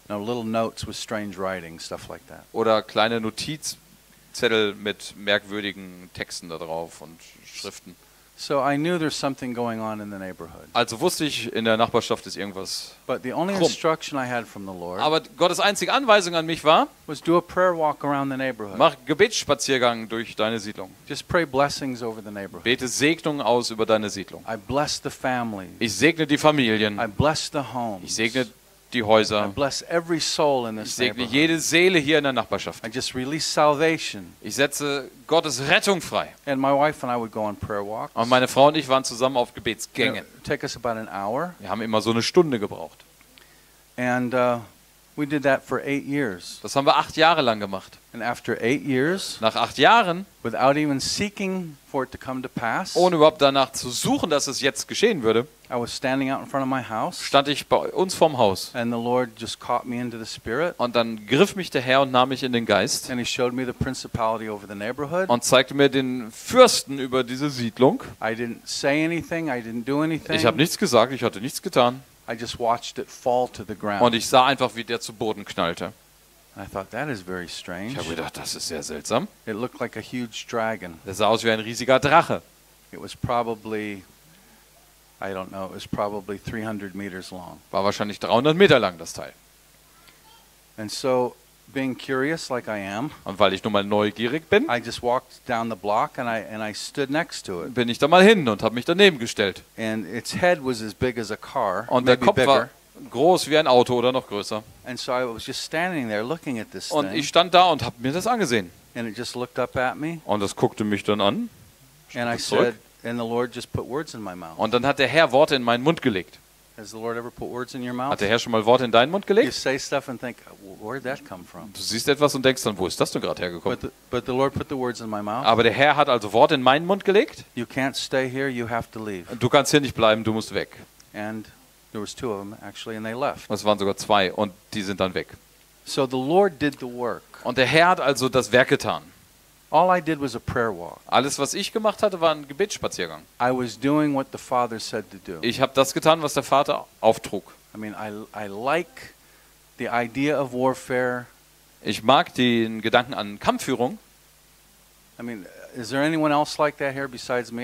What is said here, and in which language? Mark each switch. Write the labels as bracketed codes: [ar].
[en] No, little notes with strange writing, stuff like that. [de] Oder kleine Notizzettel mit merkwürdigen Texten da drauf und Schriften. [en] So I knew there's something going on in the neighborhood. [de] Also wusste ich, in der Nachbarschaft ist irgendwas. [en] But the only instruction I had from the Lord. [de] Aber Gottes einzige Anweisung an mich war, [en] was do a prayer walk around the neighborhood. [de] Mach Gebetsspaziergang durch deine Siedlung. [en] Just pray blessings over the neighborhood. [de] Bete Segnungen aus über deine Siedlung. [en] I bless the families. [de] Ich segne die Familien. [en] I bless the homes. [de] Ich segne die Häuser. [en] I bless every soul in this neighborhood. [de] Ich segne jede Seele hier in der Nachbarschaft. [en] I just release salvation. [de] Ich setze Gottes Rettung frei. [en] And my wife and I would go on prayer walks. [de] Und meine Frau und ich waren zusammen auf Gebetsgängen. [en] It took us about an hour. [de] Wir haben immer so eine Stunde gebraucht. [en] And we did that for 8 years. [de] Das haben wir 8 Jahre lang gemacht. [en] And after 8 years, [de] nach 8 Jahren, [en] without even seeking for it to come to pass, [de] ohne überhaupt danach zu suchen, dass es jetzt geschehen würde, [en] I was standing out in front of my house, [de] stand ich bei uns vorm Haus. [en] And the Lord just caught me into the spirit, [de] und dann griff mich der Herr und nahm mich in den Geist. [en] And he showed me the principality over the neighborhood, [de] und zeigte mir den Fürsten über diese Siedlung. [en] I didn't say anything, I didn't do anything. [de] Ich habe nichts gesagt, ich hatte nichts getan. [en] I just watched it fall to the ground. [de] Und ich sah einfach, wie der zu Boden knallte. [en] And I thought, that is very strange. [de] Ich habe gedacht, das ist sehr seltsam. [en] It looked like a huge dragon. [de] Es sah aus wie ein riesiger Drache. [en] It was probably, I don't know, it was probably 300 meters long. [de] War wahrscheinlich 300 Meter lang, das Teil. [en] And so, being curious like I am, [de] und weil ich nun mal neugierig bin, [en] I just walked down the block and I stood next to it. [de] Bin ich da mal hin und habe mich daneben gestellt. [en] And its head was as big as a car. [de] Und der Kopf war groß wie ein Auto oder noch größer. [en] And so I was just standing there looking at this thing. [de] Und ich stand da und habe mir das angesehen. [en] And it just looked up at me. [de] Und es guckte mich dann an. [en] And I said, and the Lord just put words in my mouth. [de] Und dann hat der Herr Worte in meinen Mund gelegt. [en] Has the Lord ever put words in your mouth? [de] Hat der Herr schon mal Worte in deinen Mund gelegt? [en] You say stuff and think, where did that come from? [de] Du siehst etwas und denkst dann, wo ist das denn gerade hergekommen? [en] But the Lord put the words in my mouth. [de] Aber der Herr hat also Worte in meinen Mund gelegt. [en] You can't stay here, you have to leave. [de] Du kannst hier nicht bleiben, du musst weg. [en] And there was two of them actually, and they left. [de] Es waren sogar zwei und die sind dann weg. [en] So the Lord did the work. [de] Und der Herr hat also das Werk getan. [en] All I did was a prayer walk. [de] Alles, was ich gemacht hatte, war ein Gebetsspaziergang. [en] I was doing what the Father said to do. [de] Ich habe das getan, was der Vater auftrug. [en] I mean, I like the idea of warfare. [de] Ich mag den Gedanken an Kampfführung. [en] I mean, is there anyone else like that here besides me?